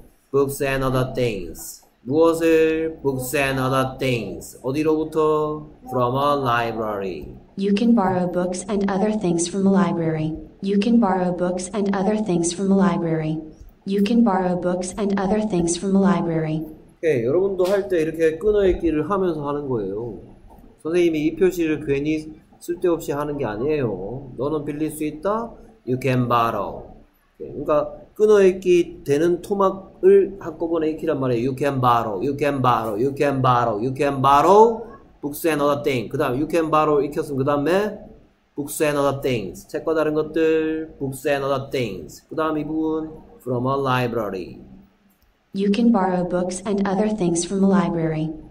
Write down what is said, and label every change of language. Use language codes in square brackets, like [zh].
[en] Books and other things. [ko] 무엇을? [en] Books and other things. [ko] 어디로부터? [en] From a library. You can borrow books and other things from a library. You can borrow books and other things from a library. You can borrow books and other things from a library. [ko] 예, 여러분도 할때 이렇게 끊어읽기를 하면서 하는 거예요. 선생님이 이 표시를 괜히 쓸데없이 하는 게 아니에요. 너는 빌릴 수 있다? [en] You can borrow. [ko] 예, 그러니까 끊어읽기 되는 토막을 한꺼번에 읽히란 말이에요. [en] You can borrow, you can borrow, you can borrow, you can borrow books and other things. [ko] 그 다음, [en] you can borrow [ko] 읽혔으면 그 다음에 [en] books and other things. [ko] 책과 다른 것들, [en] books and other things. [ko] 그 다음 이 부분, [en] from a library. You can borrow books and other things from a library.